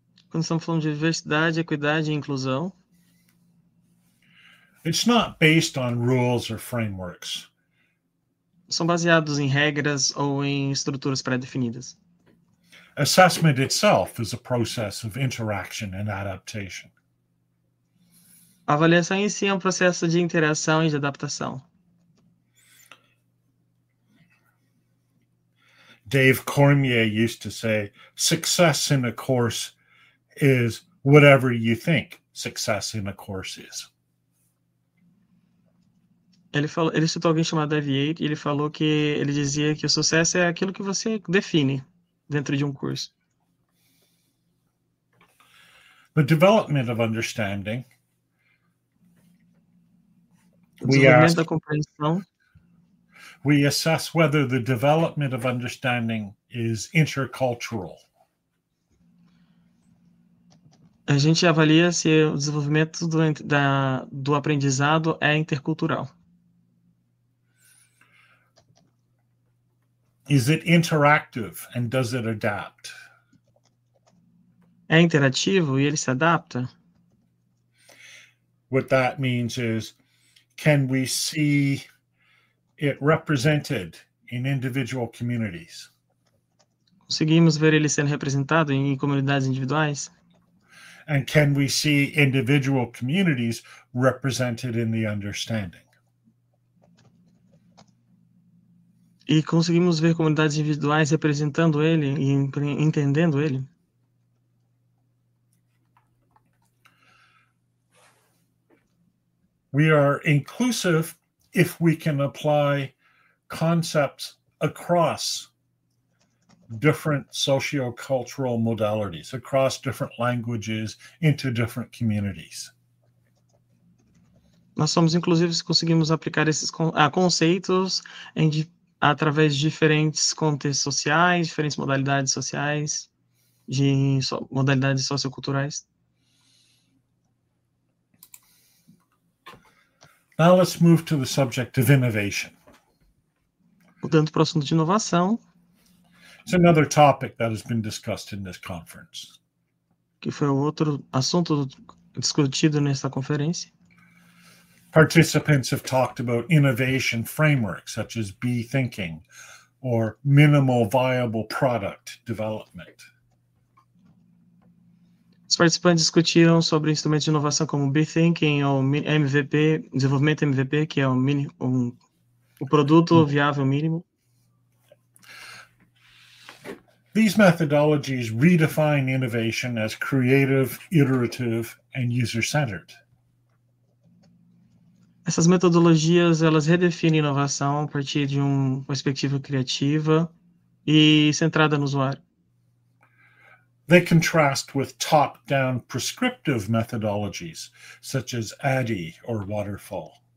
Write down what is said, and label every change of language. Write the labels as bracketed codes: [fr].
[pt] Quando estamos falando de diversidade, equidade e inclusão. [en] It's not based on rules or frameworks. [pt] São baseados em regras ou em estruturas pré-definidas. [en] Assessment itself is a process of interaction and adaptation. [pt] A avaliação em si é um processo de interação e de adaptação. [en] Dave Cormier used to say, success in a course is whatever you think success in a course is. [pt] Ele citou alguém chamado Dave Yates e ele falou que ele dizia que o sucesso é aquilo que você define dentro de um curso. [en] The development of understanding. [pt] Desenvolvimento da compreensão. [en] We assess whether the development of understanding is intercultural. [pt] A gente avalia se o desenvolvimento do aprendizado é intercultural. [en] Is it interactive and does it adapt? [pt] É interativo e ele se adapta? [en] What that means is, can we see it represented in individual communities? [pt] Conseguimos ver ele sendo representado em comunidades individuais? [en] And can we see individual communities represented in the understanding? [pt] E conseguimos ver comunidades individuais representando ele e entendendo ele. [en] We are inclusive if we can apply concepts across different sociocultural modalities, across different languages, into different communities. [pt] Nós somos, inclusive, conseguimos aplicar esses conceitos em, através de diferentes contextos sociais, diferentes modalidades sociais, de modalidades socioculturais. [en] Now let's move to the subject of innovation. [pt] Mudando para o assunto de inovação. [en] It's another topic that has been discussed in this conference. [pt] Que foi outro assunto discutido nesta conferência. [en] Participants have talked about innovation frameworks such as B thinking or minimal viable product development. [pt] Os participantes discutiram sobre instrumentos de inovação como B thinking ou MVP, desenvolvimento MVP, que é o produto viável mínimo. [en] These methodologies redefine innovation as creative, iterative and user-centered. [pt] Essas metodologias, elas redefinem inovação a partir de uma perspectiva criativa e centrada no usuário. [en] They contrast with top-down prescriptive methodologies, such as ADDIE or Waterfall.